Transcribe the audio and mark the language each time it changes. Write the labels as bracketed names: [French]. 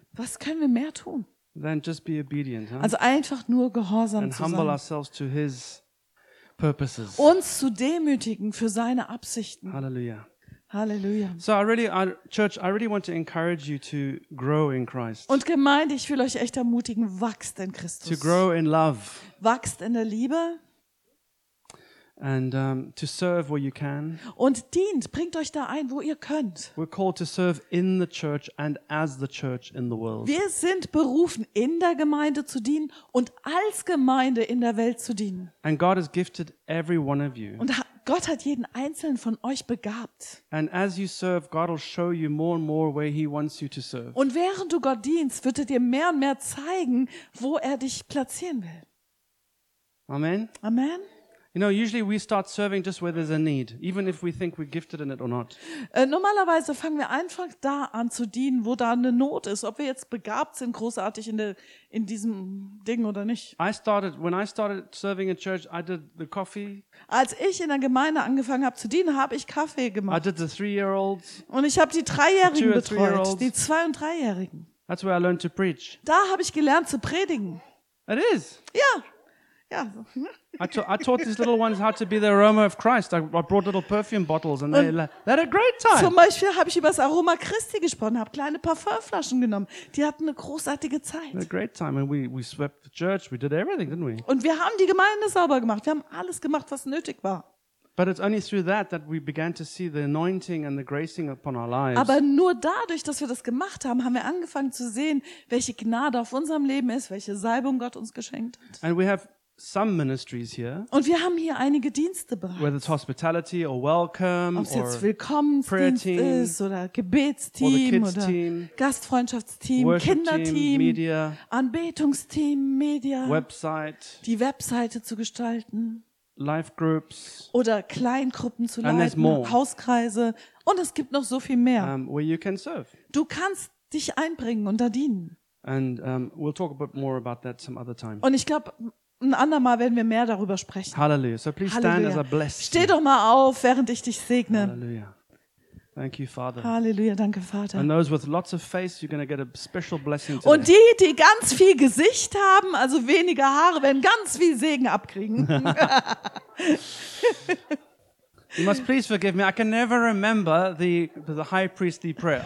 [German] Was können wir mehr tun? [English] Than just be obedient, huh? [German] Also einfach nur gehorsam zu sein. [English] Humble ourselves to his purposes. [German] Uns zu demütigen für seine Absichten. Halleluja. Halleluja. [English] So I really want to encourage you to grow in Christ. [German] Und Gemeinde, ich will euch echt ermutigen, wachst in Christus. [English] To grow in love. [German] Wachst in der Liebe. [English] And to serve where you can. [German] Und dient, bringt euch da ein, wo ihr könnt. [English] We're called to serve in the church and as the church in the world. [German] Wir sind berufen, in der Gemeinde zu dienen und als Gemeinde in der Welt zu dienen. [English] And God has gifted every one of you. [German] Und Gott hat jeden einzelnen von euch begabt. [English] And as you serve, God will show you more and more where he wants you to serve. [German] Und während du Gott dienst, wird er dir mehr und mehr zeigen, wo er dich platzieren will. Amen. Amen. [English] You know, usually we start serving just where there's a need, even if we think we're gifted in it or not. [German] Normalerweise fangen wir einfach da an zu dienen, wo da eine Not ist, ob wir jetzt begabt sind, großartig in diesem Ding oder nicht. [English] When I started serving in church, I did the coffee. [German] Als ich in der Gemeinde angefangen habe zu dienen, habe ich Kaffee gemacht. [English] I did the three-year-olds. [German] Und ich habe die Dreijährigen betreut, die Zwei- und Dreijährigen. [English] That's where I learned to preach. [German] Da habe ich gelernt zu predigen. [English] It is. [German] Ja. Ja. [English] I taught these little ones how to be the aroma of Christ. I brought little perfume bottles and they had a great time. [German] Zum Beispiel habe ich über das Aroma Christi gesprochen, habe kleine Parfümflaschen genommen. Die hatten eine großartige Zeit. [English] A great time and we swept the church. We did everything, didn't we? [German] Und wir haben die Gemeinde sauber gemacht. Wir haben alles gemacht, was nötig war. [English] But it's only through that we began to see the anointing and the gracing upon our lives. [German] Aber nur dadurch, dass wir das gemacht haben, haben wir angefangen zu sehen, welche Gnade auf unserem Leben ist, welche Salbung Gott uns geschenkt hat. [English] And we have some ministries here. [German] Und wir haben hier einige Dienste bereits. [English] Whether it's hospitality or welcome, [German] ob es jetzt Willkommensdienst ist oder Gebetsteam oder Gastfreundschaftsteam, Kinderteam, Anbetungsteam, Media, [English] Website, [German] die Webseite zu gestalten, [English] Life Groups [German] oder Kleingruppen zu leiten, Hauskreise, und es gibt noch so viel mehr. [English] Where you can serve. [German] Du kannst dich einbringen und da dienen. [English] And we'll talk a bit more about that some other time. [German] Und ich glaube, ein andermal werden wir mehr darüber sprechen. [English] Halleluja. So please stand as I bless you. [German] Steh doch mal auf, während ich dich segne. [English] Halleluja. Thank you, Father. [German] Halleluja, danke, Vater. [English] And those with lots of face, you're going to get a special blessing today. [German] Und die, die ganz viel Gesicht haben, also weniger Haare, werden ganz viel Segen abkriegen. [English] You must please forgive me. I can never remember the high priestly prayer.